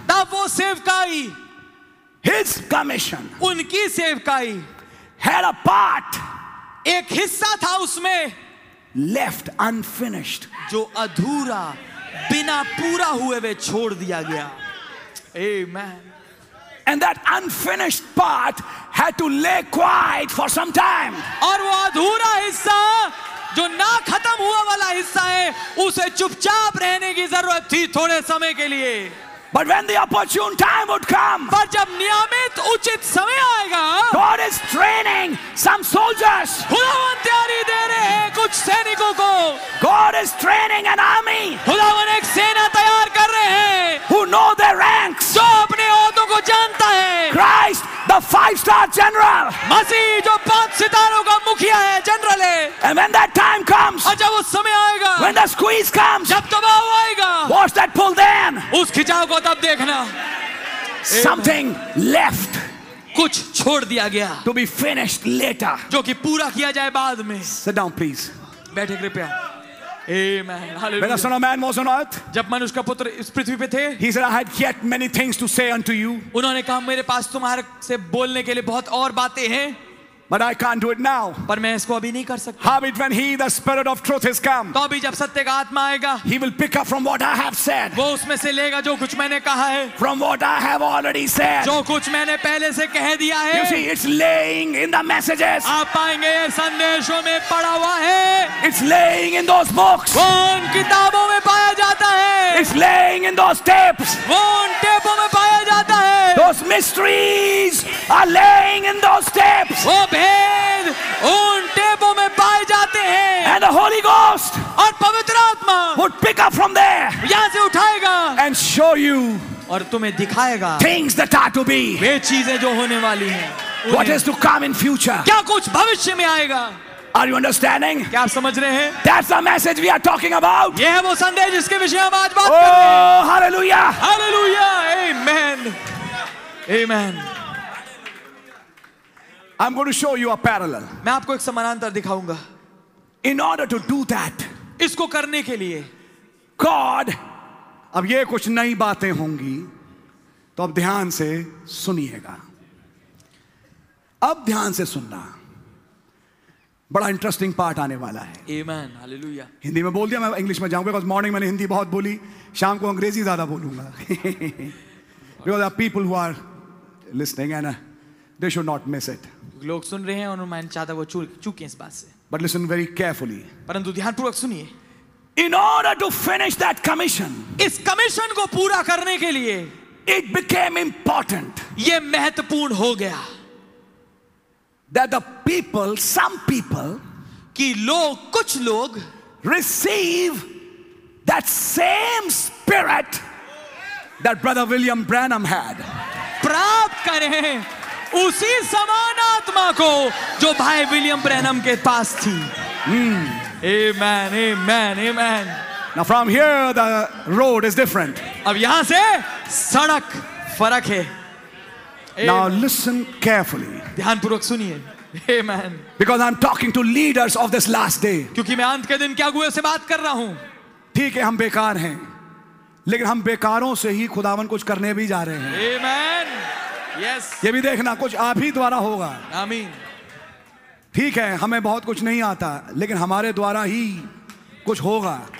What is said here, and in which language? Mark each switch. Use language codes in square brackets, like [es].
[hi] तब वो सेवकाई. [en] His commission. [hi] उनकी सेवकाई. [en] Had a part. [hi] एक हिस्सा था उसमें. [en] Left unfinished. [hi] जो अधूरा. बिना पूरा हुए वे छोड़ दिया गया. [en] Amen. And that unfinished part had to lay quiet for some time. [hi] और वो अधूरा हिस्सा, जो ना खत्म हुआ वाला हिस्सा है, उसे चुपचाप रहने की जरूरत थी थोड़े समय के लिए. [en] But when the opportune time would come, [hi] पर जब नियमित उचित समय आएगा, [en] God is training some soldiers. [hi] खुदावन तैयारी दे रहे हैं कुछ सैनिकों को. [en] God is training an army. [hi] खुदावन एक सेना तैयार कर रहे हैं. [en] Who know their ranks? [hi] जो अपने औहदों को जानता है. [en] Christ, the five-star general. [hi] मसीह जो पांच सितारों का मुखिया है, जनरल है. [en] And when that time comes, [hi] और जब वो समय आएगा, [en] when the squeeze comes, [hi] जब दबाव आएगा, [en] watch that pull then. [hi] उस खिंचाव को तब देखना. [en] Something left. [hi] कुछ छोड़ दिया गया. [en] To be finished later. [hi] जो कि पूरा किया जाए बाद में. [en] Sit down, please. [hi] बैठे कृपया. Amen. Hallelujah. [en] When the Son of Man was on earth, [hi] जब मनुष्य का पुत्र इस पृथ्वी पे थे, [en] he said, "I had yet many things to say unto you." [hi] उन्होंने कहा मेरे पास तुम्हारे से बोलने के लिए बहुत और बातें हैं. [en] But I can't do it now. [hi] पर मैं इसको अभी नहीं कर सकता. [en] How it when he, the Spirit of Truth, has come? [hi] तो अभी जब सत्य का आत्मा आएगा, [en] he will pick up from what I have said. [hi] वो उसमें से लेगा जो कुछ मैंने कहा है. [en] From what I have already said. [hi] जो कुछ मैंने पहले से कह दिया है. [en] You see, it's laying in the messages. [hi] आप पाएंगे ये संदेशों में पड़ा हुआ है. [en] It's laying in those books. [hi] वो उन किताबों में पाया जाता है. [en] It's laying in those tapes. [hi] वो उन टेपों में पाया जाता है. [en] Those mysteries are laying in those tapes. [hi] भेद उन टेपों में पाए जाते हैं. [en] And the Holy Ghost [hi] और पवित्र आत्मा [en] would pick up from there [hi] यहां से उठाएगा. [en] And show you [hi] और तुम्हें दिखाएगा [en] things that are to be [hi] वे चीजें जो होने वाली हैं. [en] What is to come in future [hi] क्या कुछ भविष्य में आएगा. [en] Are you understanding? [hi] क्या आप समझ रहे हैं? [en] That's the message we are talking about. [hi] यह है वो संदेश जिसके विषय हम आज बात कर रहे हैं. Hallelujah. [en] Hallelujah. Amen. Amen. I'm going to show you a parallel. [hi] मैं आपको एक समानांतर दिखाऊंगा. [en] In order to do that, [hi] इसको करने के लिए, God, अब ये कुछ नई बातें होंगी, तो अब ध्यान से सुनिएगा. अब ध्यान से सुनना, बड़ा इंटरेस्टिंग पार्ट आने वाला है. [en] Amen, Hallelujah. [hi] हिंदी में बोल दिया, मैं इंग्लिश में जाऊंगा, [en] because [hi] मॉर्निंग मैंने हिंदी बहुत बोली, शाम को अंग्रेजी ज्यादा बोलूंगा. [en] Because there are people who are listening and they should not miss it. [hi] लोग सुन रहे हैं और मैं चाहता वो चूके इस बात से. [en] But listen very carefully. [hi] परंतु ध्यान पूर्वक सुनिए. [en] In order to finish that commission, [hi] इस कमीशन को पूरा करने के लिए, [en] it became important. [hi] ये महत्वपूर्ण हो गया. [en] That the people, some people, [hi] कि लोग कुछ लोग, [en] receive that same spirit that Brother William Branham had. [hi] प्राप्त करें उसी समान आत्मा को जो भाई विलियम ब्रैनम के पास थी. [en] Amen, amen, amen. Now from here the road is different. [hi] अब यहां से सड़क फर्क है. [en] Now listen carefully. [hi] ध्यान पूर्वक सुनिए. Amen. [en] Because I'm talking to leaders of this last day. [hi] क्योंकि मैं अंत के दिन के अगुओं से बात कर रहा हूं. ठीक है, हम बेकार हैं, लेकिन हम बेकारों से ही खुदावन कुछ करने भी जा रहे हैं. [en] Amen. Yes. [hi] ये भी देखना कुछ आप ही द्वारा होगा. आमीन. ठीक है हमें बहुत कुछ नहीं आता लेकिन हमारे द्वारा ही कुछ होगा.